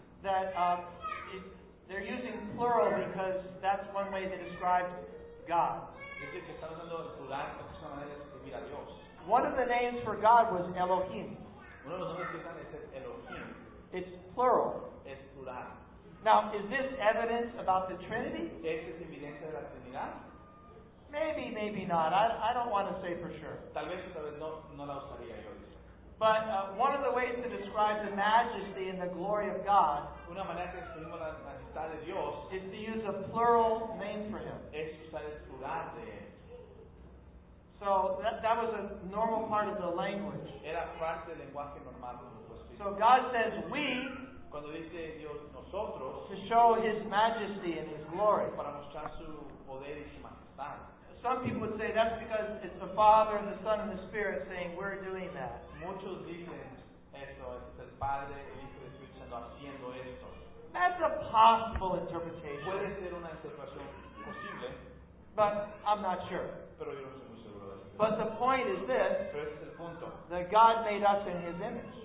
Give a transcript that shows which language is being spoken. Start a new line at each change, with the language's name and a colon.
English: that they're using plural because that's one way to describe God.
Spanish: Dice que están usando el plural porque es una manera de describir a Dios.
English: One of the names for God was Elohim.
Spanish: Uno de los nombres que están es Elohim.
English: It's plural.
Spanish: Es plural.
English: Now, is this evidence about the Trinity?
Spanish: ¿Es evidencia de la Trinidad?
English: Maybe not. I don't want to say for sure.
Spanish: Tal vez no la usaría yo.
English: But one of the ways to describe the majesty and the glory of God
Spanish: una manera que describimos la majestad de Dios
English: is to use a plural name for him.
Spanish: Es usar el plural de él.
English: So that was a normal part of the language.
Spanish: Era parte del lenguaje normal de los espíritus.
English: So God says we
Spanish: cuando dice Dios nosotros
English: to show his majesty and his glory.
Spanish: Para mostrar su poder y su majestad.
English: Some people would say that's because it's the Father and the Son and the Spirit saying we're doing that.
Spanish: Muchos dicen eso, es el Padre, el Hijo y el Espíritu Santo haciendo esto.
English: That's a possible interpretation.
Spanish: Puede ser una interpretación posible.
English: But I'm not sure.
Spanish: Pero yo no estoy muy seguro de eso.
English: But the point is this.
Spanish: Pero ese es el punto.
English: That God made us in His image.